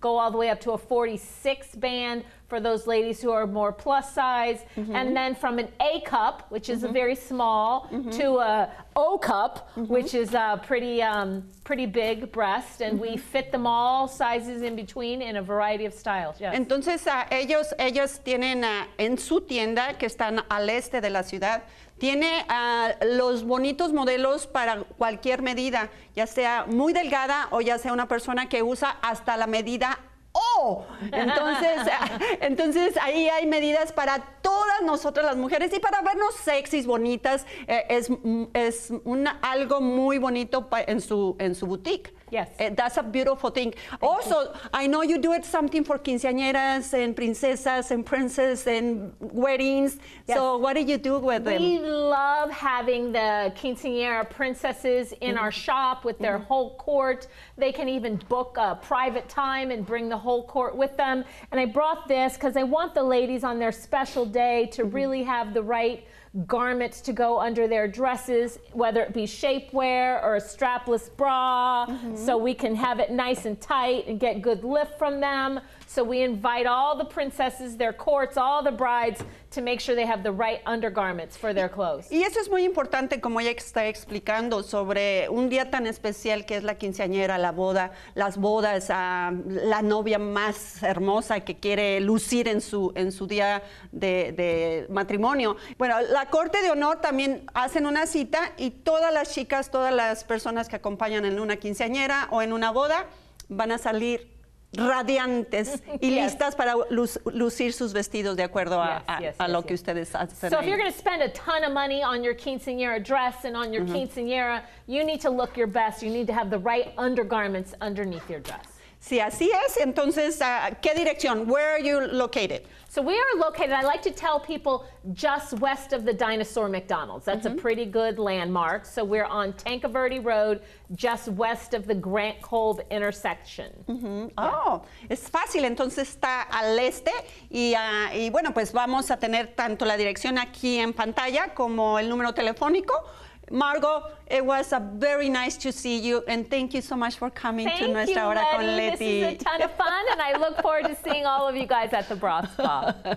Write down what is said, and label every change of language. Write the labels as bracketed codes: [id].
[en] Go all the way up to a 46 band for those ladies who are more plus size. Mm-hmm. And then from an A cup, which is a very small, to a O cup, which is a pretty big breast. And we fit them all sizes in between in a variety of styles. Yes. [es] Entonces, ellos tienen en su tienda, que están al este de la ciudad, tiene los bonitos modelos para cualquier medida, ya sea muy delgada o ya sea una persona que usa hasta la medida O. Entonces, entonces ahí hay medidas para todas nosotras las mujeres y para vernos sexys, bonitas, es algo muy bonito en su boutique. [en] Yes. That's a beautiful thing. I know you do it something for quinceañeras and princesas and princes and weddings. Yes. So what do you do with them? We love having the quinceañera princesses in our shop with their whole court. They can even book a private time and bring the whole court with them. And I brought this because I want the ladies on their special day to really have the right garments to go under their dresses, whether it be shapewear or a strapless bra, so we can have it nice and tight and get good lift from them. So we invite all the princesses, their courts, all the brides to make sure they have the right undergarments for their clothes. [es] Y eso es muy importante, como ella está explicando, sobre un día tan especial que es la quinceañera, la boda, las bodas, la novia más hermosa que quiere lucir en su día de matrimonio. Bueno, la corte de honor también hacen una cita y todas las chicas, todas las personas que acompañan en una quinceañera o en una boda van a salir radiantes y listas para lucir sus vestidos de acuerdo a lo que ustedes hacen. So if you're going to spend a ton of money on your quinceañera dress and on your quinceañera, you need to look your best. You need to have the right undergarments underneath your dress. Sí, así es. Entonces, ¿qué dirección? [en] Where are you located? So we are located, I like to tell people, just west of the Dinosaur McDonald's. That's a pretty good landmark. So we're on Tancaverde Road, just west of the Grant Cove intersection. Yeah. [es] Oh, es fácil. Entonces está al este. Y bueno, pues vamos a tener tanto la dirección aquí en pantalla como el número telefónico. [en] Margot, it was a very nice to see you, and thank you so much for coming to Nuestra Hora con Leti. This is a ton of fun, and I look forward to seeing all of you guys at the bra spa.